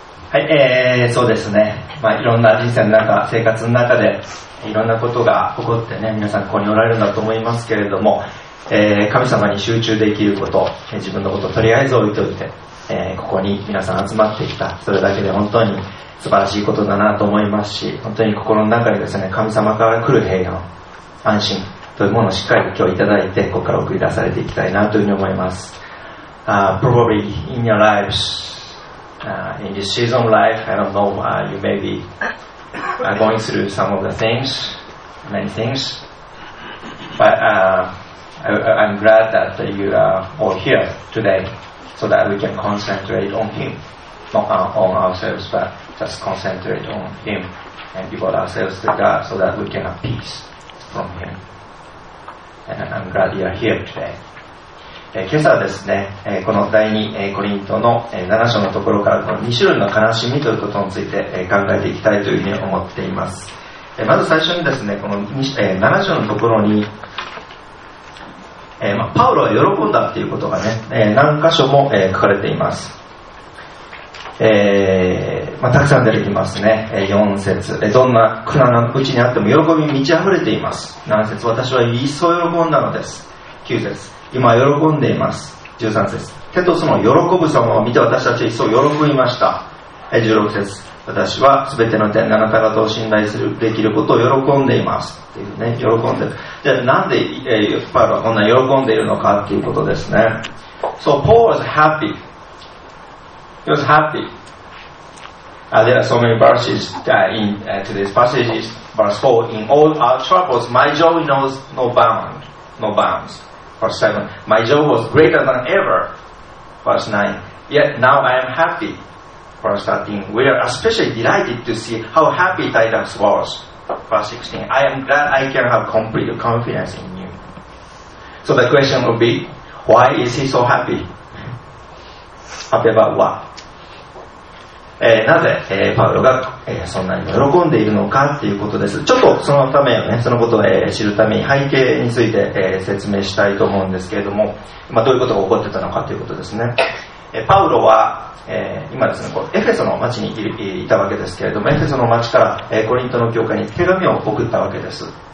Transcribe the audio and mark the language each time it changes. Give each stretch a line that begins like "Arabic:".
Japanese: はい、そうですね、まあ、いろんな人生の中、生活の中でいろんなことが起こってね、皆さんここにおられるんだと思いますけれども、神様に集中できること、自分のこととりあえず置いておいて、ここに皆さん集まってきた、それだけで本当に素晴らしいことだなと思いますし、本当に心の中にですね、神様から来る平安、安心というものをしっかり今日いただいて、ここから送り出されていきたいなというふうに思います。
English: Probably in your lives、in this season of life, I don't know, you may be、going through some of the things, many things, but、I'm glad that you are all here today so that we can concentrate on Him, not on ourselves, but just concentrate on Him and devote ourselves to God so that we can have peace from Him. And I'm glad you are here today.
Japanese: 今朝はですね、この第2コリントの7章のところから、この2種類の悲しみということについて考えていきたいというふうに思っています。まず最初にですね、この7章のところに、パウロは喜んだということがね、何箇所も書かれています。たくさん出てきますね。4節、どんな苦難のうちにあっても喜び満ち溢れています。 7節、私は一層喜んだのです。9節、今喜んでいます。 13節、テトスの喜ぶ様を見て私たちは一層喜びました。 16節、私は全ての点であなた方を信頼するできることを喜んでいますっていうね、喜んでる。じゃあなんで、パウロはこんな喜んでいるのかっていうことですね。
English: So Paul is happyHe was happy.、There are so many verses、in、to this passage. Verse 4, in all our troubles, my joy knows no bound. No bounds. Verse 7, my joy was greater than ever. Verse 9, yet now I am happy. Verse 13, we are especially delighted to see how happy Titus was. Verse 16, I am glad I can have complete confidence in you. So the question would be, why is he so happy? Happy about what?
Japanese: なぜ、パウロが、そんなに喜んでいるのかということです。ちょっとそのためをね、そのことを、知るために背景について、説明したいと思うんですけれども、まあ、どういうことが起こってたのかということですね。パウロは、今ですね、エフェソの町にいたわけですけれども、エフェソの町から、コリントの教会に手紙を送ったわけです。